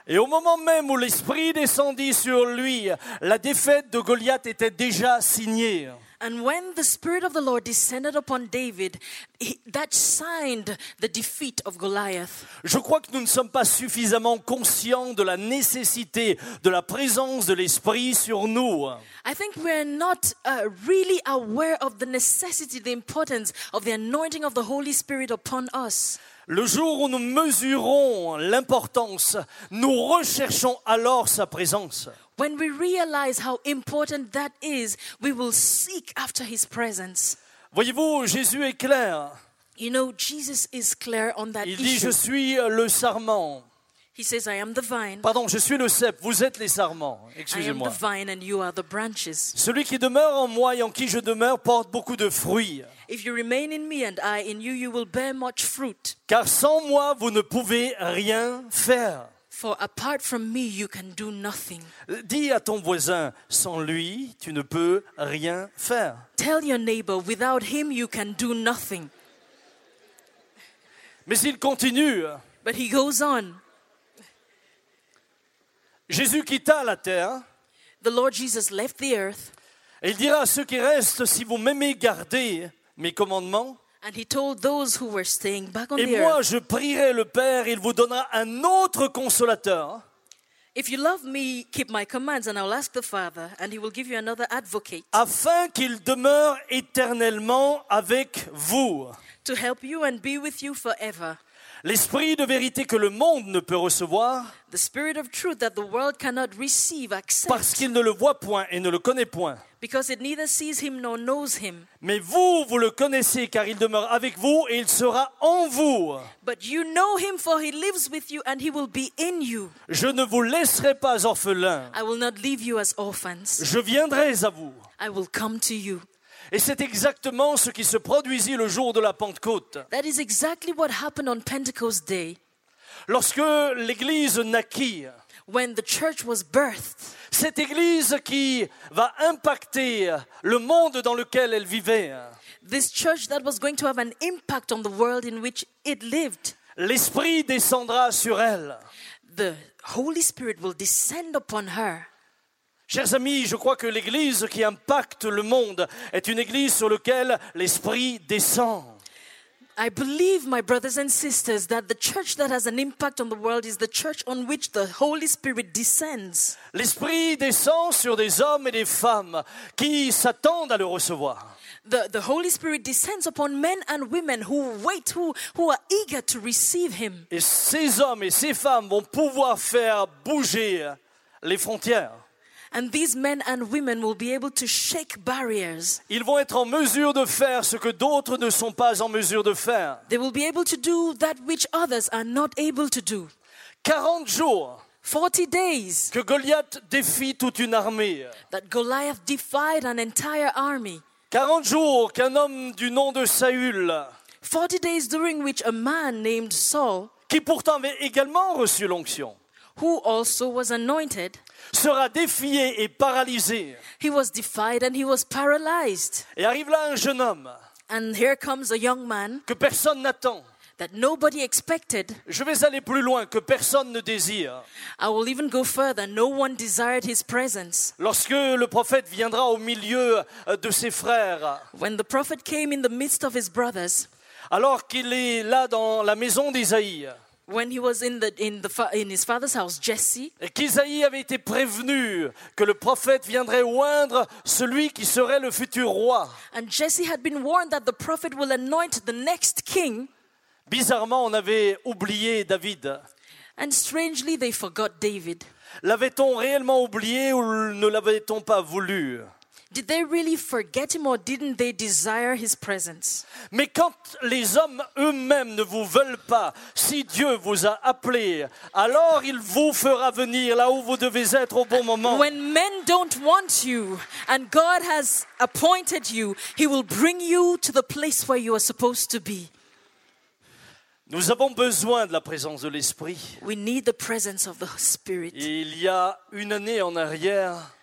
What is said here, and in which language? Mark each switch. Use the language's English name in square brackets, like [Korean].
[French] Et au moment même où l'esprit descendit sur lui, la défaite de Goliath était déjà signée. [English] And when the spirit of the Lord descended upon David, that signed the defeat of Goliath. [French] Je crois que nous ne sommes pas suffisamment conscients de la nécessité de la présence de l'esprit sur nous. [English] I think we are not really aware of the necessity, the importance of the anointing of the Holy Spirit upon us. [French] Le jour où nous mesurons l'importance, nous recherchons alors sa présence. [English] When we realize how important that is, we will seek after his presence. [French] Voyez-vous, Jésus est clair. [English] You know, Jesus is clear on that issue. [French] Il dit, je suis le sarment. [English] He says, I am the vine. [French] Pardon, je suis le cep, vous êtes les sarments. Excusez-moi. [English] I am the vine and you are the branches. [French] Celui qui demeure en moi et en qui je demeure porte beaucoup de fruits. [English] If you remain in me and I in you, you will bear much fruit. [French] Car sans moi, vous ne pouvez rien faire. [English] For apart from me, you can do nothing. [French] Dis à ton voisin, sans lui, tu ne peux rien faire. [English] Tell your neighbor, without him, you can do nothing. [French] Mais il continue. [English] But he goes on. [French] Jésus quitta la terre. [English] The Lord Jesus left the earth. [French] Et il dira à ceux qui restent, si vous m'aimez, gardez mes commandements. [English] And he told those who were staying back on [French] et [English] the [French] moi, [English] earth, [French] je prierai le Père, il vous donnera un autre consolateur. [English] If you love me, keep my commands, and I will ask the Father, and he will give you another advocate. [French] Afin qu'il demeure éternellement avec vous. [English] To help you and be with you forever. [French] L'esprit de vérité que le monde ne peut recevoir. [English] The spirit of truth that the world cannot receive, accept. [French] Parce qu'il ne le voit point et ne le connaît point. [English] Because it neither sees him nor knows him. [French] Mais vous, vous le connaissez car il demeure avec vous et il sera en vous. [English] But you know him for he lives with you and he will be in you. [French] Je ne vous laisserai pas orphelin. [English] I will not leave you as orphans. [French] Je viendrai à vous. [English] I will come to you. [French] Et c'est exactement ce qui se produisit le jour de la Pentecôte. [English] That is exactly what happened on Pentecost Day. [French] Lorsque l'Église naquit. [English] When the church was birthed. [French] Cette Église qui va impacter le monde dans lequel elle vivait. [English] This church that was going to have an impact on the world in which it lived. [French] L'Esprit descendra sur elle. [English] The Holy Spirit will descend upon her. [French] Chers amis, je crois que l'Église qui impacte le monde est une Église sur laquelle l'Esprit descend. [English] I believe, my brothers and sisters, that the church that has an impact on the world is the church on which the Holy Spirit descends. [French] L'Esprit descend sur des hommes et des femmes qui s'attendent à le recevoir. [English] The Holy Spirit descends upon men and women who wait, who are eager to receive him. [French] Et ces hommes et ces femmes vont pouvoir faire bouger les frontières. [English] And these men and women will be able to shake barriers. [French] Ils vont être en mesure de faire ce que d'autres ne sont pas en mesure de faire. [English] They will be able to do that which others are not able to do. [French] 40 jours. [English] 40 days. [French] Que Goliath défie toute une armée. [English] That Goliath defied an entire army. [French] 40 jours qu'un homme du nom de Saül. [English] 40 days during which a man named Saul. [French] Qui pourtant avait également reçu l'onction. [English] Who also was anointed. [French] Sera défié et paralysé. [English] He was defied and he was paralyzed. [French] Et arrive là un jeune homme. [English] And here comes a young man. [French] Que personne n'attend. [English] That nobody expected. [French] Je vais aller plus loin, que personne ne désire. [English] I will even go further. No one desired his presence. [French] Lorsque le prophète viendra au milieu de ses frères. [English] When the prophet came in the midst of his brothers. [French] Alors qu'il est là dans la maison d'Isaïe. [English] When he was in his father's house, Jesse. [French] Et qu'Isaïe avait été prévenu que le prophète viendrait oindre celui qui serait le futur roi. [English] And Jesse had been warned that the prophet will anoint the next king. [French] Bizarrement, on avait oublié David. [English] And strangely, they forgot David. [French] L'avait-on réellement oublié ou ne l'avait-on pas voulu? [English] Did they really forget him or didn't they desire his presence? [French] Mais quand les hommes eux-mêmes ne vous veulent pas, si Dieu vous a appelé, alors il vous fera venir là où vous devez être au bon moment. [English] When men don't want you and God has appointed you, he will bring you to the place where you are supposed to be. [French] Nous avons besoin de la présence de l'Esprit. [English] We need the presence of the Spirit. [French] Il y a une année en arrière,